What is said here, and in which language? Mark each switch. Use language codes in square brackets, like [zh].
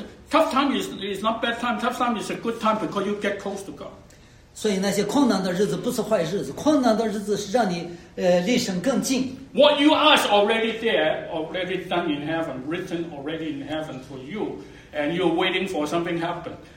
[en] Tough time is not bad time. Tough time is a good time because you get close to God. [zh] 所以那些困难的日子不是坏日子，困难的日子是让你离神更近。 [en] What you ask already there, already done in heaven, written already in heaven for you, and you're waiting for something happen.